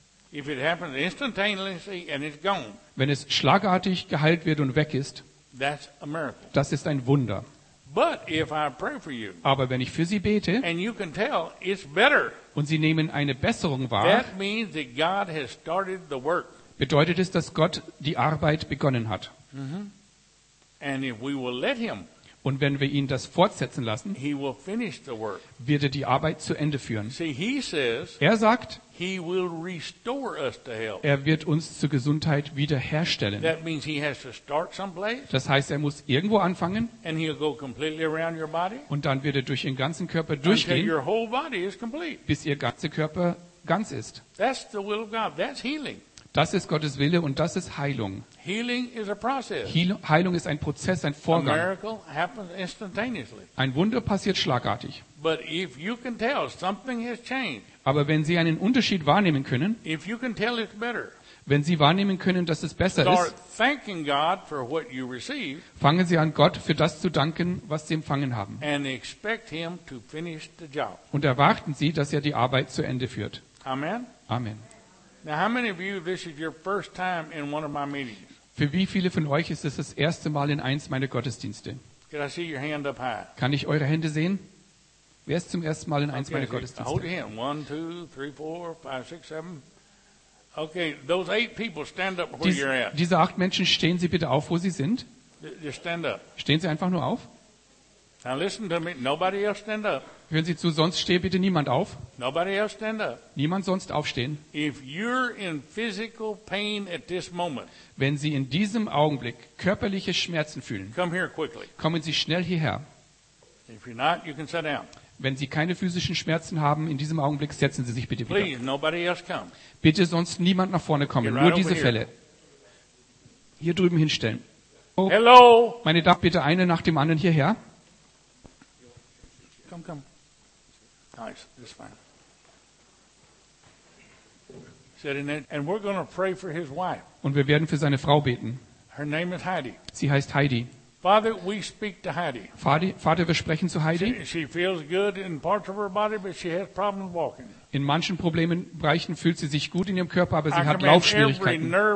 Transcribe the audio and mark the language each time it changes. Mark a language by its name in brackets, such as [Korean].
[English] If it happens instantaneously and it's gone, [German] wenn es schlagartig geheilt wird und weg ist, [English] that's a miracle. [German] Das ist ein Wunder. [English] But if I pray for you, [German] aber wenn ich für Sie bete, [English] and you can tell it's better, [German] und Sie nehmen eine Besserung wahr, [English] that means that God has started the work. [German] Bedeutet es, dass Gott die Arbeit begonnen hat. [English] Mm-hmm. And if we will let him, [German] und wenn wir ihn das fortsetzen lassen, [English] he will finish the work. [German] Wird er die Arbeit zu Ende führen. [English] See, he says, [German] er sagt, [English] he will restore us to health. [German] Er wird uns zur Gesundheit wiederherstellen. [English] That means he has to start someplace, [German] das heißt, er muss irgendwo anfangen [English] and he'll go completely around your body, [German] und dann wird er durch den ganzen Körper durchgehen, [English] until your whole body is complete. [German] Bis ihr ganzer Körper ganz ist. [English] That's the will of God. That's healing. [German] Das ist Gottes Wille und das ist Heilung. [English] Healing is a process. [German] Heilung ist ein Prozess, ein Vorgang. [English] A miracle happens instantaneously. [German] Ein Wunder passiert schlagartig. [English] But if you can tell, something has changed. [German] Aber wenn Sie einen Unterschied wahrnehmen können, [English] if you can tell it's better, [German] wenn Sie wahrnehmen können, dass es besser [English] start [German] ist, [English] thanking God for what you receive, [German] fangen Sie an, Gott für das zu danken, was Sie empfangen haben. [English] And expect him to finish the job. [German] Und erwarten Sie, dass er die Arbeit zu Ende führt. [English] Amen. [German] Amen. [English] Now, how many of you this is your first time in one of my meetings? [German] Für wie viele von euch ist es das erste Mal in eins meiner Gottesdienste? [English] Can I see your hand up high? [German] Kann ich eure Hände sehen? Wer ist zum ersten Mal in eins meiner Gottesdienste? [English] Hold your hand. 1, 2, 3, 4, 5, 6, 7. Okay, those 8 people stand up where you're at. [German] Diese 8 Menschen, stehen Sie bitte auf, wo Sie sind. [English] Just stand up. [German] Stehen Sie einfach nur auf. [English] Now listen to me. Nobody else stand up. [German] Hören Sie zu, sonst stehe bitte niemand auf. [English] Nobody else stand up. [German] Niemand sonst aufstehen. [English] If you're in physical pain at this moment, [German] wenn Sie in diesem Augenblick körperliche Schmerzen fühlen, [English] come here quickly. [German] Kommen Sie schnell hierher. [English] If you're not, you can sit down. [German] Wenn Sie keine physischen Schmerzen haben, in diesem Augenblick setzen Sie sich bitte wieder. [English] Please, nobody else come. [German] Bitte sonst niemand nach vorne kommen, [English] right [German] nur diese [English] here. [German] Fälle. Hier drüben hinstellen. [English] Oh. Hello. [German] Meine Damen, bitte eine nach dem anderen hierher. Komm, komm. [English] Nice, that's fine. And we're going to pray for his wife. [German] Und wir werden für seine Frau beten. [English] Her name is Heidi. [German] Sie heißt Heidi. [English] Father, we speak to Heidi. [German] Vater, wir sprechen zu Heidi. [English] She feels good in parts of her body, but she has problems walking. [German] In manchen Problembereichen fühlt sie sich gut in ihrem Körper, aber sie hat Laufschwierigkeiten.